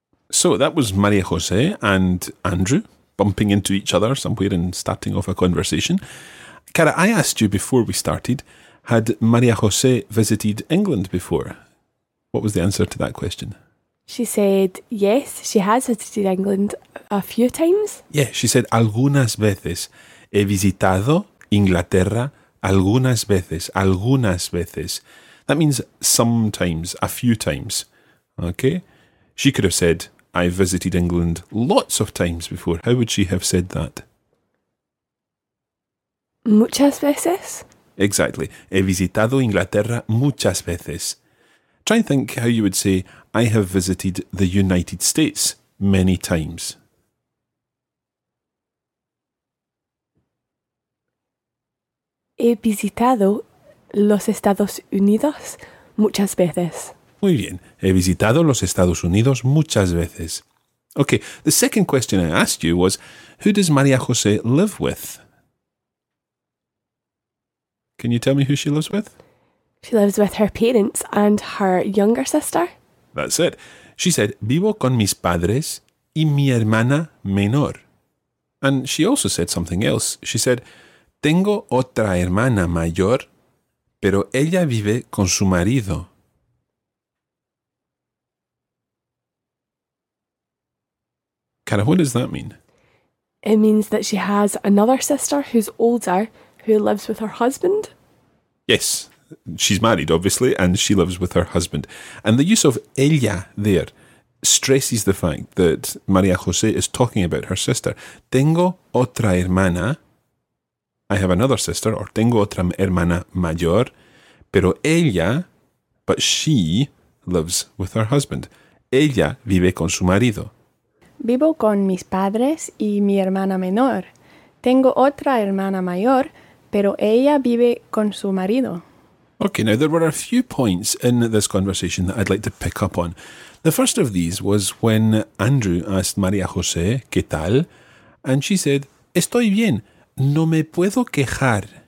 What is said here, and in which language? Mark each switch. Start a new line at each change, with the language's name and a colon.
English: So that was María José and Andrew bumping into each other somewhere and starting off a conversation. Cara, I asked you before we started, had María José visited England before? What was the answer to that question? She said, yes, she has visited England a few times. Yeah, she said,
Spanish: algunas veces. He visitado Inglaterra algunas veces. Algunas veces.
English: That means sometimes, a few times. Okay? She could have said, I visited England lots of times before. How would she have said that?
Spanish: Muchas veces.
English: Exactly.
Spanish: He visitado Inglaterra muchas veces.
English: Try and think how you would say, I have visited the United States many times.
Spanish: He visitado los Estados Unidos muchas veces. Muy bien. He visitado los Estados Unidos muchas veces.
English: Okay, the second question I asked you was, who does María José live with? Can you tell me who she lives with? She lives with her parents and her younger sister. That's it. She said,
Spanish: vivo con mis padres y mi hermana menor.
English: And she also said something else. She said,
Spanish: tengo otra hermana mayor, pero ella vive con su marido.
English: Cara, what does that mean? It means that she has another sister who's older, who lives with her husband. Yes, she's married, obviously, and she lives with her husband. And the use of ella there stresses the fact that María José is talking about her sister.
Spanish: Tengo otra hermana.
English: I have another sister, or
Spanish: tengo otra hermana mayor. Pero ella,
English: but she lives with her husband.
Spanish: Ella vive con su marido. Vivo con mis padres y mi hermana menor. Tengo otra hermana mayor, pero ella vive con su marido.
English: Okay, now there were a few points in this conversation that I'd like to pick up on. The first of these was when Andrew asked María José,
Spanish: ¿qué tal?
English: And she said,
Spanish: estoy bien, no me puedo quejar.